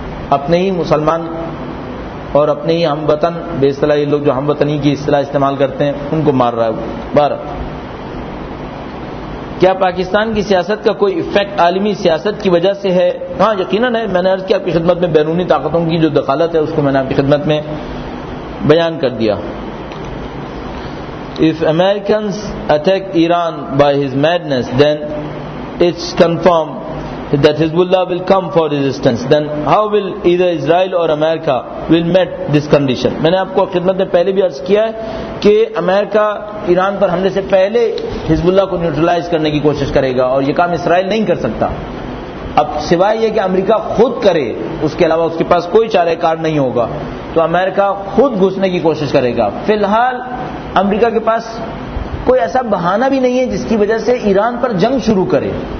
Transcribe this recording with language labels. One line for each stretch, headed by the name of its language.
Urdu: اپنے ہی مسلمان اور اپنے ہی ہم وطن, بے اصطلاح یہ لوگ جو ہم وطنی کی اصطلاح استعمال کرتے ہیں, ان کو مار رہا ہے. بھارت کیا پاکستان کی سیاست کا کوئی افیکٹ عالمی سیاست کی وجہ سے ہے؟ ہاں یقیناً ہے. میں نے عرض کیا آپ کی خدمت میں بیرونی طاقتوں کی جو دخالت ہے اس کو میں نے آپ کی خدمت میں بیان کر دیا.
English: If Americans attack Iran by his madness, then it's confirmed that Hezbollah will come for resistance. Then how will either Israel or America will meet this condition?
Urdu: میں نے آپ کو خدمت میں پہلے بھی عرض کیا ہے کہ امریکہ ایران پر حملے سے پہلے حزب اللہ کو نیوٹرلائز کرنے کی کوشش کرے گا, اور یہ کام اسرائیل نہیں کر سکتا. اب سوائے یہ کہ امریکہ خود کرے, اس کے علاوہ اس کے پاس کوئی چارہ کار نہیں ہوگا. تو امریکہ خود گھسنے کی کوشش کرے گا. فی الحال امریکہ کے پاس کوئی ایسا بہانہ بھی نہیں ہے جس کی وجہ سے ایران پر جنگ شروع کرے.